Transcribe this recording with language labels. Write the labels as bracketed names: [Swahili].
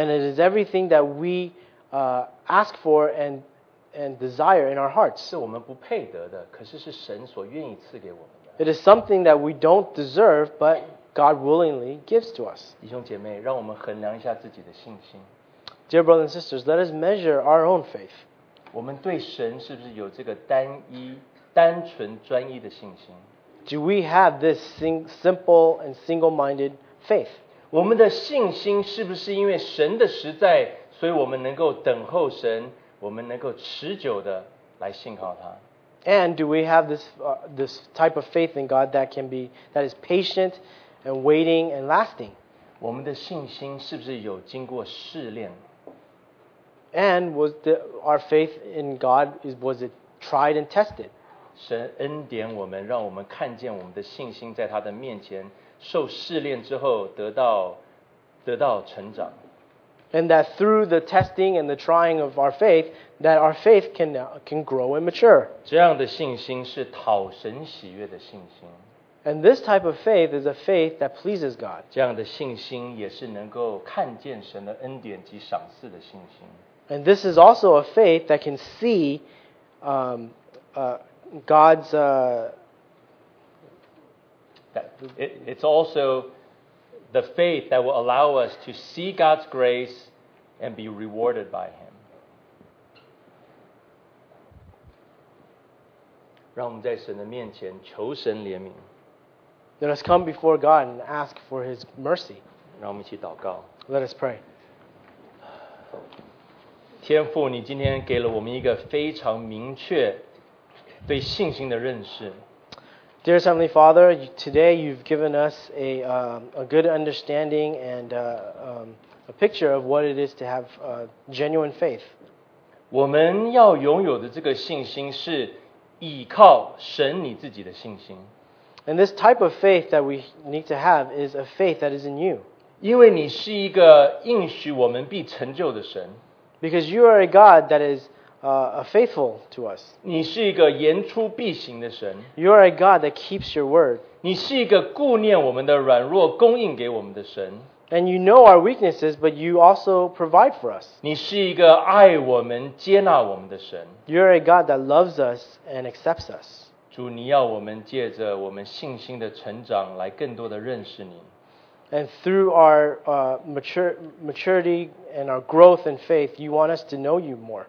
[English] ，and it is everything that we ask for and desire in our hearts， [Chinese] 是我们不配得的，可是是神所愿意赐给我们的。 [English] It is something that we don't deserve， but God willingly gives to us。 [Chinese] 弟兄姐妹，让我们衡量一下自己的信心。 [English] Dear brothers and sisters， let us measure our own faith。 [Chinese] 我们对神是不是有这个单一？单纯专一的信心。 [English] Do we have this simple and single-minded faith? [Chinese] 我们的信心是不是因为神的实在，所以我们能够等候神，我们能够持久的来信靠他。 [English] And do we have this type of faith in God that can be that is patient and waiting and lasting? [Chinese] 我们的信心是不是有经过试炼？ [English] And was our faith in God was it tried and tested? [Chinese] 神恩典我们，让我们看见我们的信心在他的面前受试炼之后得到成长。 [English] And that through the testing and the trying of our faith, that our faith can grow and mature. [Chinese] 这样的信心是讨神喜悦的信心。 [English] And this type of faith is a faith that pleases God. [Chinese] 这样的信心也是能够看见神的恩典及赏赐的信心。 [English] And this is also a faith that can see God's... It's also... The faith that will allow us to see God's grace and be rewarded by Him. [Chinese] 让我们在神的面前求神怜悯。 [English] Let us come before God and ask for His mercy. [Chinese] 让我们一起祷告。 [English] Let us pray. [Chinese] 天父，你今天给了我们一个非常明确对信心的认识。 [English] Dear Heavenly Father, today you've given us a good understanding and a picture of what it is to have genuine faith. [Chinese] 我们要拥有的这个信心是倚靠神你自己的信心。 [English] And this type of faith that we need to have is a faith that is in you. [Chinese] 因为你是一个应许我们必成就的神。 [English] Because you are a God that isfaithful to us. [Chinese] 你是一个言出必行的神。 [English] You are a God that keeps your word. [Chinese] 你是一个顾念我们的软弱，供应给我们的神。 [English] And you know our weaknesses, but you also provide for us. [Chinese] 你是一个爱我们、接纳我们的神。 [English] You are a God that loves us and accepts us. [Chinese] 主，你要我们借着我们信心的成长，来更多的认识你。 [English] And through our maturity and our growth in faith, you want us to know you more.